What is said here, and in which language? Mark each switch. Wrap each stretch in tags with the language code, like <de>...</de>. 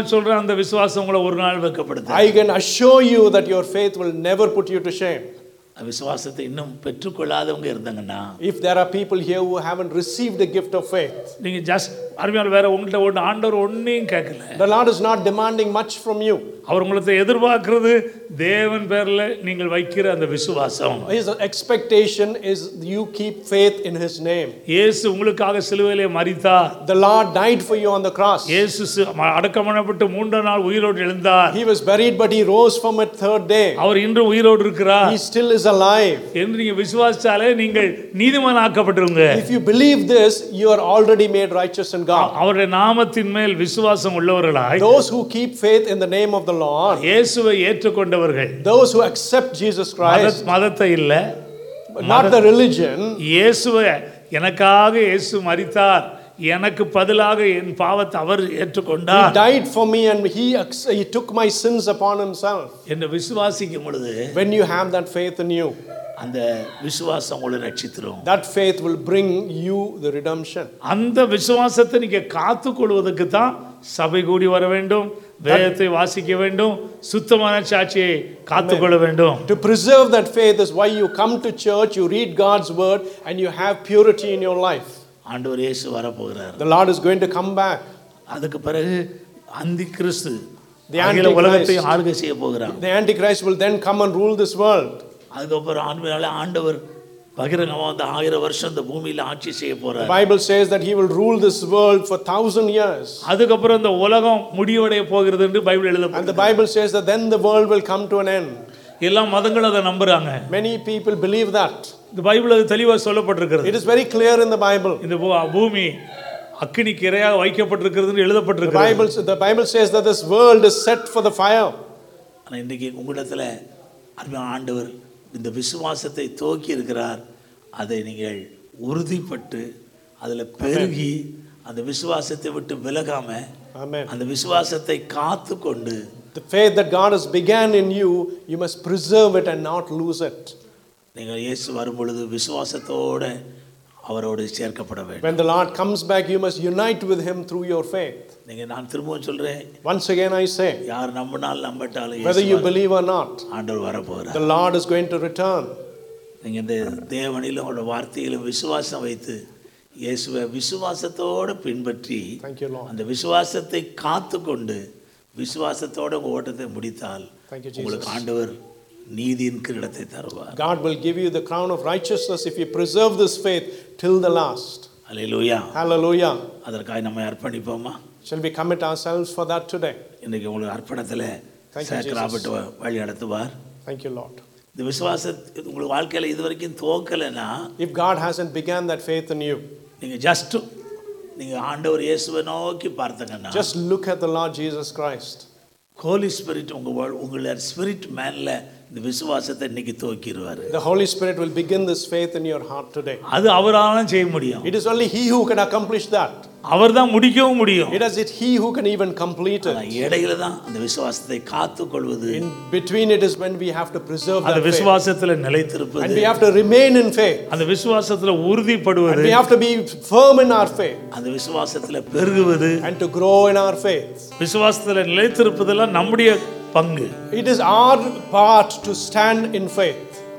<ta>அந்த விசுவாசம் உங்களை ஒரு நாள் வைக்கப்படுது.</ta> <en>I can assure you that your faith will never put you to shame.</en> <ta>விசுவாசத்தை இன்னும் பெற்றுக்கொள்ளாதவங்க இருந்தாங்கன்னா,</ta> <en>if there are people here who haven't received the gift of faith,</en> <ta>நீங்க just அருமையா வேற உங்கள்ட்ட ஒரு ஆண்டவர் ஒண்ணையும் கேட்கல.</ta> <en>The Lord is not demanding much from you.</en> <ta>அவர் உங்களை எதிர்பார்க்கிறது தேவன் பேர்ல நீங்கள் வைக்கிற அந்த விசுவாசம்.</ta> <en>His expectation is you keep faith in his name.</en> <ta>இயேசு உங்களுக்காக சிலுவையிலே மரித்தார்.</ta> <en>The Lord died for you on the cross.</en> <ta>இயேசு அடக்கமணப்பட்டு மூன்றாம் நாள் உயிரோடு எழுந்தார்.</ta> <en>He was buried but he rose from it third day.</en> <ta>அவர் இன்று உயிரோடு இருக்கிறார்.</ta> <en>He still is alive.</en> <ta>என்று நீங்க விசுவாசிச்சாலே நீங்கள் நீதிமானாக்கப்பட்டிருங்க.</ta> <en>If you believe this, you are already made righteous in God.</en> <ta>அவருடைய நாமத்தின் மேல் விசுவாசம் உள்ளவர்களாய்,</ta> <en>those who keep faith in the name of the Lord,</en> <ta>இயேசுவை ஏற்றுக்கொண்டவர்கள்,</ta> <en>those who accept Jesus Christ,</en> <ta>மதத்தை இல்ல,</ta> <en>not the religion,</en> <ta>இயேசுவை எனக்காக இயேசு மரித்தார், எனக்கு பதிலாக என் பாவத்தை அவர் ஏற்றுக்கொண்டார்.</ta> <en>He died for me and he took my sins upon himself.</en> <ta>என்ன விசுவாசிக்கும் பொழுது,</ta> <en>when you have that faith in you,</en> <ta>அந்த விசுவாசம் உங்களை ரட்சித்திரும்.</ta> <en>That faith will bring you the redemption.</en> <ta>அந்த விசுவாசத்தை நீங்க காத்து கொள்வதற்கு தான் சபை கூடி வர வேண்டும், வேதத்தை வாசிக்க வேண்டும், சுத்தமான சாட்சியை காத்து கொள்ள வேண்டும்.</ta> <en>To preserve that faith is why you come to church, you read God's word and you have purity in your life.</en> <ta>ஆண்டவர் இயேசு வர போகிறார்.</ta> <en>The Lord is going to come back.</en> <ta>அதுக்கு பிறகு அந்திகிறிஸ்து அகில உலகத்தை ஆளுகை செய்ய போகிறார்.</ta> <en>The Antichrist will then come and rule this world.</en> <ta>அதுக்கப்புறம் ஆண்மையால ஆண்டவர் பகிரங்கமா வந்து 1000 வருஷம் இந்த பூமியில ஆட்சி செய்ய போறார்.</ta> <en>Bible says that he will rule this world for 1000 years.</en> <ta>அதுக்கப்புறம் இந்த உலகம் முடிவடைய போகிறது என்று பைபிள் எழுதப்படும்.</ta> <en>And the Bible says that then the world will come to an end.</en> <ta>எல்லா மதங்களும் அதை நம்புறாங்க.</ta> <en>Many people believe that.</en> <ta>இந்த பைபிள் அது தெளிவாக சொல்லப்பட்டிருக்கிறது.</ta> <en>It is very clear in the Bible.</en> <ta>இந்த பூமி அக்கினிக்கு இரையாக வைக்கப்பட்டிருக்கிறதுன்னு எழுதப்பட்டிருக்கிறது.</ta> <en>The Bible says that this world is set for the fire.</en> <ta>ஆனா இன்னைக்கு உங்களிடத்துல அருமையான ஆண்டவர் இந்த விசுவாசத்தை துவக்கி இருக்கிறார். அதை நீங்கள் உறுதிப்பட்டு அதில் பெருகி அந்த விசுவாசத்தை விட்டு விலகாம அந்த விசுவாசத்தை காத்து கொண்டு,</ta> <en>the faith that God has began in you, you must preserve it and not lose it.</en> <ta>நீங்கள் இயேசு வரும்பொழுது விசுவாசத்தோடு அவரோடு சேர்க்கப்பட வேண்டும்.</ta> <en>When the Lord comes back, you must unite with him through your faith.</en> <ta>நீங்கள் நான் திரும்பவும் சொல்றேன்.</ta> <en>Once again I say,</en> <ta>யார் நம்பினால் நம்பட்டாலும்</ta> <en>Yesu, whether you believe or not,</en> <ta>ஆண்டவர் வர போகிறார்.</ta> <en>The Lord is going to return.</en> <ta>நீங்க இந்த தேவனிலும் அவருடைய வார்த்தையிலும் விசுவாசம் வைத்து இயேசுவை விசுவாசத்தோடு பின்பற்றி,</ta> <en>thank you Lord,</en> <ta>அந்த விசுவாசத்தை காத்து கொண்டு விசுவாசத்தோட ஓட்டத்தை முடித்தால் உங்களுக்கு ஆண்டவர் நீதியின் கிரீடத்தை தருவார்.</ta> <en>God will give you the crown of righteousness if you preserve this faith till the last. Hallelujah. Hallelujah.</en> <ta>அதற்காய் நம்ம அர்ப்பணிப்போமா?</ta> <en>Shall we commit ourselves for that today?</en> <ta>இன்னைக்கு உங்களுக்கு அர்ப்பணத்தில் சாக்ராபட் வழி நடத்துவார்.</ta> <en>Thank you Lord.</en> <ta>இந்த விசுவாசத்தை உங்களுக்கு வாழ்க்கையில் இதுவரைக்கும் துவக்கலைன்னா,</ta> <en>if God hasn't began that faith in you,</en> <ta>நீங்க just நீங்க ஆண்டவர் இயேசுவை நோக்கி பார்த்தீங்கன்னா,</ta> <en>just look at the Lord Jesus Christ.</en> <ta>Holy Spirit உங்களுடைய spirit manல இந்த விசுவாசத்தை இன்னைக்கு துவக்கிடுவார்.</ta> <en>The Holy Spirit will begin this faith in your heart today.</en> <ta>அது அவரால செய்ய முடியும்.</ta> <en>It is only he who can accomplish that.</en> <ta>அவர் தான் முடிக்கவும் முடியும்.</ta> <en>It is it he who can even complete it.</en> <ta>இடையில தான் அந்த விசுவாசத்தை காத்துக்கொள்வது.</ta> <en>In between it is when we have to preserve</en> <ta>அந்த விசுவாசத்தில் நிலைத்திருப்பது.</ta> <en>And we have to remain in faith.</en> <ta>அந்த விசுவாசத்தில் உறுதிப்படுவது.</ta> <en>And we have to be firm in our faith.</en> <ta>அந்த விசுவாசத்தில் பெருகுவது.</ta> <en>And to grow in our faith.</en> <ta>விசுவாசத்தில் நிலைத்திருப்பதெல்லாம் நம்முடைய பங்கு.</ta> <en>It is our part to stand in faith.</en>